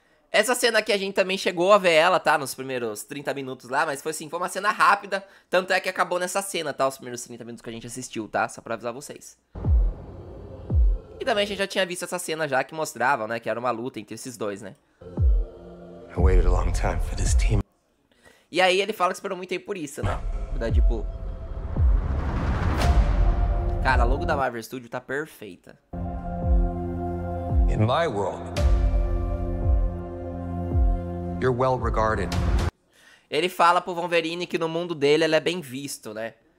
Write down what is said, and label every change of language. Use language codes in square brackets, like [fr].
[pt] Essa cena aqui a gente também chegou a ver ela, tá? Nos primeiros 30 minutos lá, mas foi assim, foi uma cena rápida. Tanto é que acabou nessa cena, tá? Os primeiros 30 minutos que a gente assistiu, tá? Só pra avisar vocês. E também a gente já tinha visto essa cena já, que mostrava, né? Que era uma luta entre esses dois, né? [en] I waited a long time for this team. [pt] E aí ele fala que esperou muito tempo por isso, né? da Deadpool. Cara, a logo da Marvel Studio tá perfeita. [en] In my world, you're well regarded. [pt] Ele fala pro Wolverine que no mundo dele ele é bem visto, né?